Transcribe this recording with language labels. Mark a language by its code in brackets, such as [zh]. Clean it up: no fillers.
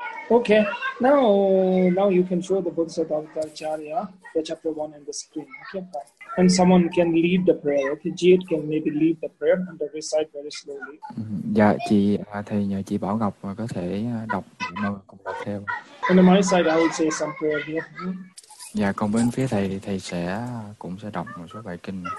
[en] Okay, now you can show the Bodhisattva Acharya, the chapter 1 on the screen, okay? And someone can lead the prayer, okay? Jit can maybe lead the prayer and the recite very slowly. [vi] Dạ, chị, thầy nhờ chị Bảo Ngọc có thể đọc, cùng đọc theo. [en] And on my side, I will say some prayer here. [vi] Dạ, còn bên phía thầy thì thầy sẽ cũng sẽ đọc một số bài kinh.